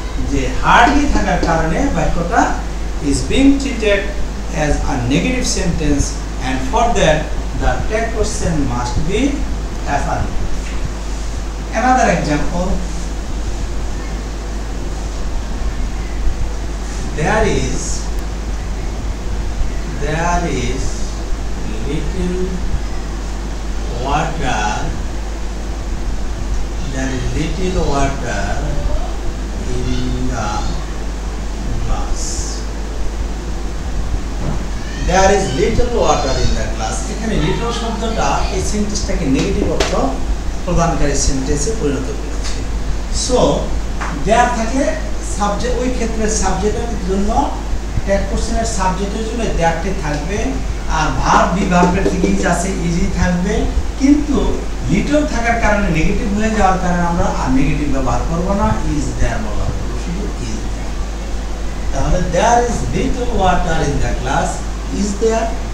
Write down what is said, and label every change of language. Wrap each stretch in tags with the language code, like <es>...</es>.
<bn>যে হার্ডলি থাকার কারণে বাক্যটা</bn> <en>Is being treated as a negative sentence and for that the tag question must be affirmative another example there is There is little water. There is little water in the glass. There is little water in the glass.</en> <bn>এখানে little শব্দটা এই সেন্টেন্সটাকে negative অর্থ প্রদানকারী সেন্টেন্সে পরিণত করেছে so there থাকে subject ওই ক্ষেত্রে সাবজেক্টের জন্য ট্যাগ কোশ্চেনের সাবজেক্টের জন্য দেয়ারটি থাকবে আর ভার্ব বিভাগের থেকে ইজ আছে ইজি থাকবে কিন্তু লিটল থাকার কারণে নেগেটিভ হয়ে যাওয়ার কারণে আমরা আর নেগেটিভ ব্যবহার করব না ইজ দেয়ার ব্যবহার করব শুধু ইজ দেয়ার তাহলে</bn> <en>there is little water in the glass is there</en>